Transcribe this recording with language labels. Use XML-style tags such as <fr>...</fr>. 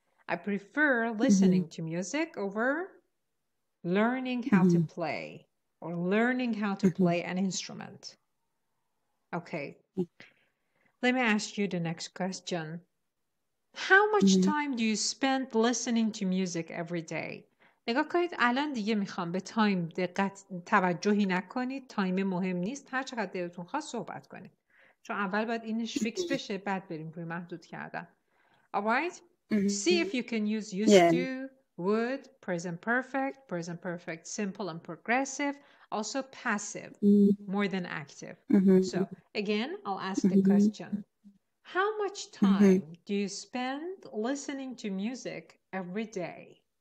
<en>I prefer listening to music over learning how to play or learning how to play an instrument. Okay. Let me ask you the next question. How much time do you spend listening to music every day?</en> <fa>نگاه کنید الان دیگه میخوام به تایم دقت توجهی نکنید. تایم مهم نیست. هر چقدر دلتون خواست صحبت کنید. چون اول باید اینش فیکس بشه بعد بریم روی محدود کردن.</fa> <en>Alright? See if you can use used to, would, present perfect simple and progressive, also passive, more than active. So again, I'll ask the question. How much time do you spend listening to music every day?</en>